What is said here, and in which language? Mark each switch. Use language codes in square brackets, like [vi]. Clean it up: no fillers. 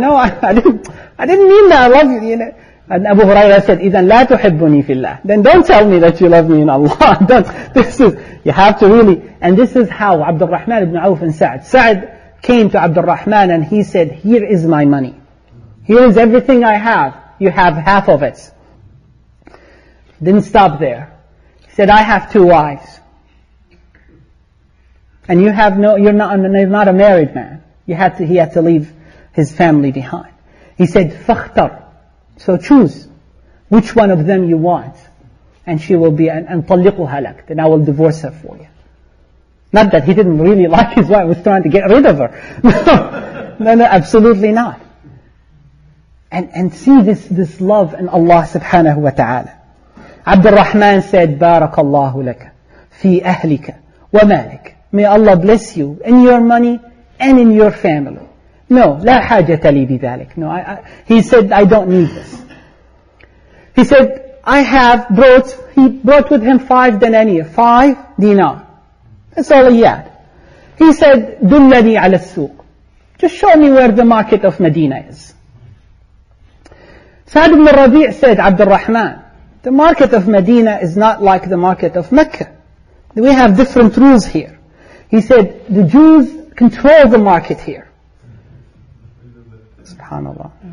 [en] No, I didn't mean that, I love you, you know. And Abu Huraira said, [ar] إذن لا تحبني في الله. [en] Then don't tell me that you love me in Allah. Don't. This is, you have to really. And this is how Abd al-Rahman ibn Auf and Sa'd. Sa'd came to Abd al-Rahman and he said, here is my money. Here is everything I have. You have half of it. Didn't stop there. He said, I have two wives. And you have you're not a married man. He had to leave his family behind. He said, [ar] فَخْتَرْ. [en] So choose which one of them you want. And she will be, and [ar] طَلِّقُهَا لَكْ. [en] Then I will divorce her for you. Not that he didn't really like his wife, was trying to get rid of her. No, absolutely not. And see this love in Allah subhanahu wa ta'ala. [ar] Abd al-Rahman [en] said, [ar] بَارَكَ اللَّهُ لَكَ فِي أَهْلِكَ وَمَالِكَ. [en] May Allah bless you in your money and in your family. No, [ar] لا حاجة لي بذلك. [en] No, he said, I don't need this. He said, he brought with him 5 dinar. That's all he had. [ar] He said, دلني على السوق. [en] Just show me where the market of Medina is. Sa'd ibn Rabi' said, عبد الرحمن, the market of Medina is not like the market of Mecca. We have different rules here. He said, the Jews control the market here. SubhanAllah.